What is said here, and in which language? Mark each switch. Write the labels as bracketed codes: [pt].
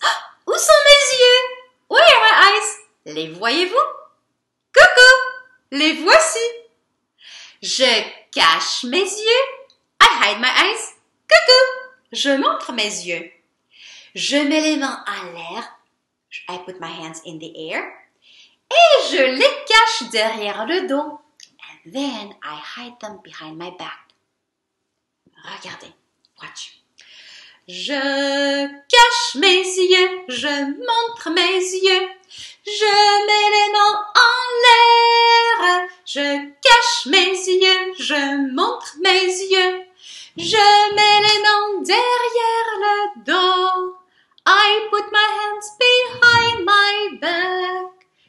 [fr] Oh, où sont mes yeux? [en] Where are my eyes? [fr] Les voyez-vous? Coucou! Les voici! Je cache mes yeux. [en] I hide my eyes. [fr] Coucou! Je montre mes yeux. Je mets les mains à l'air. [en] I put my hands in the air. [fr] Et je les cache derrière le dos. [en] And then I hide them behind my back. [fr] Regardez. Watch. Je cache mes yeux. Je montre mes yeux. Je mets les mains en l'air. Je cache mes yeux. Je montre mes yeux. Je mets les mains derrière le dos. [en] I put my hands behind my back.